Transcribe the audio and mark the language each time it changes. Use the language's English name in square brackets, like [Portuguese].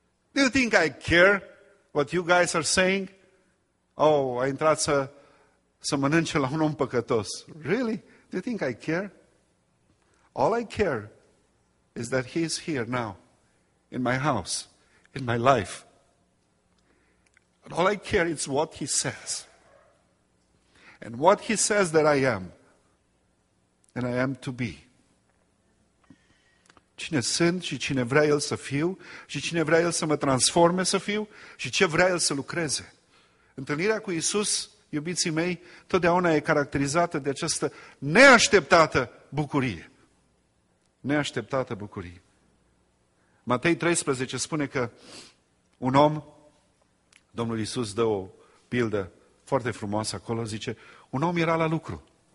[English] Do you think I care what you guys are saying? [Romanian] Oh, a intrat să mănânce la un om păcătos. [English] Really? Do you think I care? All I care is that he is here now, in my house, in my life. And all I care is what he says. And what he says that I am, and I am to be. [Romanian] Cine sunt și cine vrea el să fiu, și cine vrea el să mă transforme să fiu, și ce vrea el să lucreze. Întâlnirea cu Iisus, iubiții mei, totdeauna e caracterizată de această neașteptată bucurie. Neașteptată bucurie. Matei 13 spune că un om, Domnul Iisus dă o pildă foarte frumoasă acolo, zice, un om era la lucru.